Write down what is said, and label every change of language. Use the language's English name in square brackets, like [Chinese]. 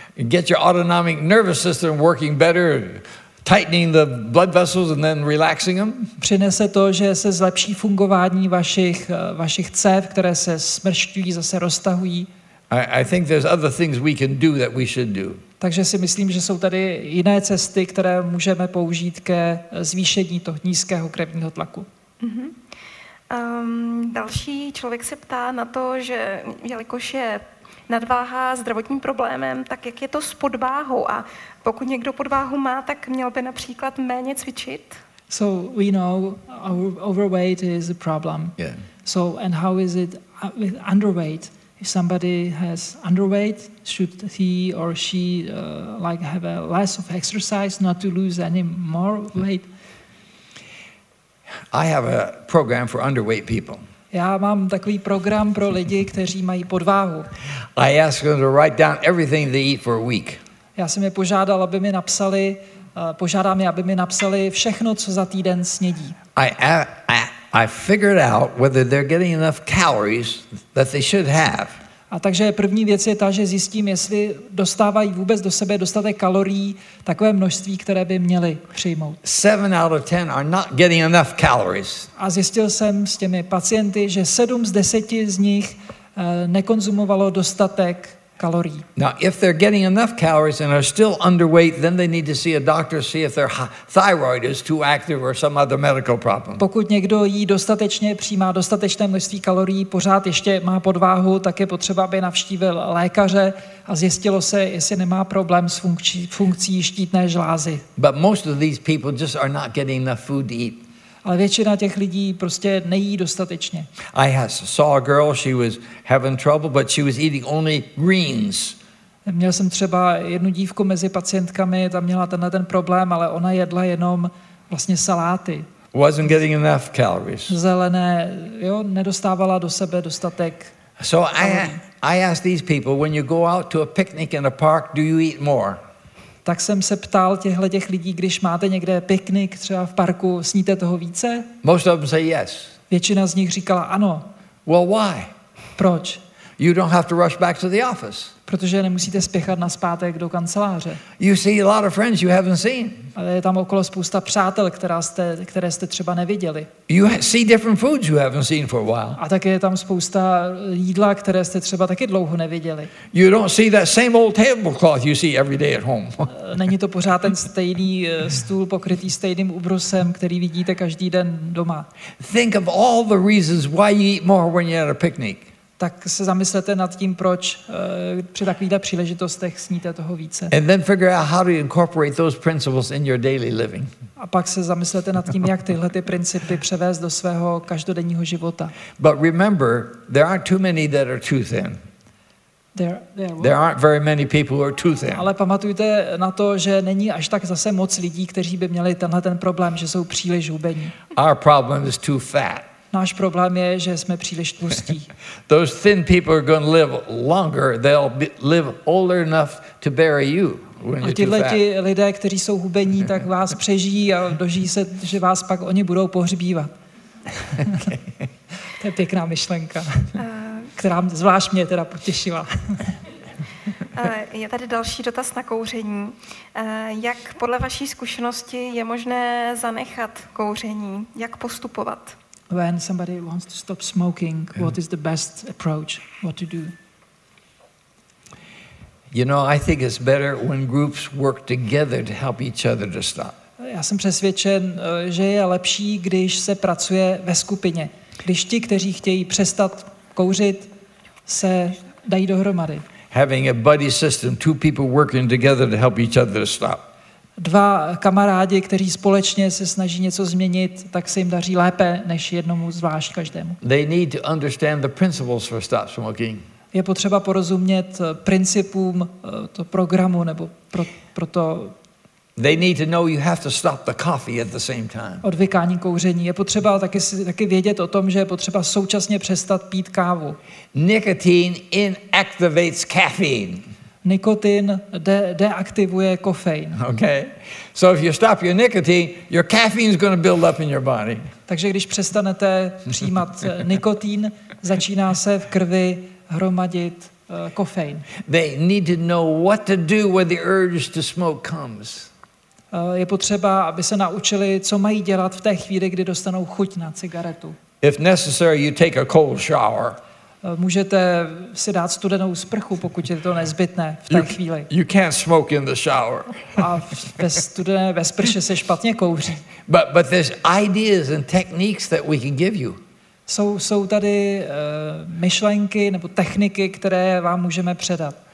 [English] Get your autonomic nervous system working better. Tightening the blood vessels and then relaxing them. [Czech] Přinese to, že se zlepší fungování vašich cév, které se smršťují, zase roztahují. [English] I think there's other things we can do that we should do. [Czech] Takže si myslím, že jsou tady jiné cesty, které můžeme použít ke zvýšení toho nízkého krevního tlaku. Mm-hmm. Další člověk se ptá na to, že jelikož je nadváha zdravotním problémem, tak jak je to s podváhou? A pokud někdo podváhu má, tak měl by například méně cvičit? [English] So we know our overweight is a problem. Yeah. So and how is it with underweight? If somebody has underweight, should he or she like have a less of exercise not to lose any more weight? I have a program for underweight people. [Czech] Já mám takový program pro lidi, kteří mají podváhu. [English] I ask them to write down everything they eat for a week. [Czech] Já jsem je požádal, aby mi napsali, požádám je, aby mi napsali všechno, co za týden snědí. [English] I I figured out whether they're getting enough calories that they should have. [Czech] A takže první věc je ta, že zjistím, jestli dostávají vůbec do sebe dostatek kalorií, takové množství, které by měli přijmout. [English] 7 out of 10 are not getting enough calories. [Czech] A zjistil jsem s těmi pacienty, že 7 z 10 z nich nekonzumovalo dostatek kalorií. [English] Now, if they're getting enough calories and are still underweight, then they need to see a doctor, see if their thyroid is too active or some other medical problem. [Czech] Pokud někdo jí dostatečně, přijímá dostatečné množství kalorií, pořád ještě má podváhu, tak je potřeba, aby navštívil lékaře a zjistilo se, jestli nemá problém s funkcí štítné žlázy. [English] But most of these people just are not getting enough food to eat. [Czech] Ale většina těch lidí prostě nejí dostatečně. [English] I saw a girl, she was having trouble, but she was eating only greens. [Czech] Měl jsem třeba jednu dívku mezi pacientkami, ta měla ten problém, ale ona jedla jenom vlastně saláty. [English] Wasn't getting enough calories. [Czech] Zelené, jo, nedostávala do sebe dostatek. [English] So I asked these people, when you go out to a picnic in a park, do you eat more? [Czech] Tak jsem se ptal těch lidí, když máte někde piknik, třeba v parku, sníte toho více? [English] Most of them say yes. [Czech] Většina z nich říkala ano. [English] Well, why? [Czech] Proč? [English] You don't have to rush back to the office. [Czech] Protože nemusíte spěchat naspátek do kanceláře. [English] You see a lot of friends you haven't seen. [Czech] Ale je tam okolo spousta přátel, které jste třeba neviděli. [English] You see different foods you haven't seen for a while. [Czech] A také je tam spousta jídla, které jste třeba taky dlouho neviděli. [English] You don't see that same old tablecloth you see every day at home. [Czech] Není to pořád ten stejný stůl pokrytý stejným ubrusem, který vidíte každý den doma. [English] Think of all the reasons why you eat more when you're at a picnic. [Czech] Tak se zamyslete nad tím, proč při takovýchto příležitostech sníte toho více. [English] And then figure out how to incorporate those principles in your daily living. [Czech] A pak se zamyslete nad tím, jak tyhle ty principy převést do svého každodenního života. [English] But remember, there aren't too many that are too thin. There aren't very many people who are too thin. [Czech] Ale pamatujte na to, že není až tak zase moc lidí, kteří by měli tenhle ten problém, že jsou příliš hubení. [English] Our problem is too fat. [Czech] Náš problém je, že jsme příliš tlustí. [English] Those thin people are going to live longer. They'll live older enough to bury you when you're too fat. [Czech] A tyhle lidé, kteří jsou hubení, tak vás přežijí a dožijí se, že vás pak oni budou pohřbívat. To je pěkná myšlenka, která zvlášť mě teda potěšila. Je tady další dotaz na kouření. Jak podle vaší zkušenosti je možné zanechat kouření? Jak postupovat? [English] When somebody wants to stop smoking, what is the best approach? What to do? You know, I think it's better when groups work together to help each other to stop. [Czech] Já jsem přesvědčen, že je lepší, když se pracuje ve skupině. Když ti, kteří chtějí přestat kouřit, se dají dohromady. [English] Having a buddy system, two people working together to help each other to stop. [Czech] Dva kamarádi, kteří společně se snaží něco změnit, tak se jim daří lépe než jednomu zvlášť každému. [English] They need to understand the principles for stop smoking. [Czech] Je potřeba porozumět principům to programu nebo proto. [English] They need to know you have to stop the coffee at the same time. [Czech] Odvykání kouření je potřeba taky vědět o tom, že je potřeba současně přestat pít kávu. [English] Nicotine inactivates caffeine. [Czech] Nikotin deaktivuje kofein. [English] Okay. So if you stop your nicotine, your caffeine is going to build up in your body. [Czech] Takže když přestanete přijímat nikotin, začíná se v krvi hromadit kofein. [English] They need to know what to do when the urge to smoke comes. [Czech] Je potřeba, aby se naučili, co mají dělat v té chvíli, kdy dostanou chuť na cigaretu. [English] If necessary, you take a cold shower. [Czech] Můžete si dát studenou sprchu, pokud je to nezbytné v té chvíli. [English] You can't smoke in the shower. [Czech] A ve sprše se špatně kouří. [English] But there's ideas and techniques that we can give you. [Czech] Jsou tady myšlenky nebo techniky, které vám můžeme předat.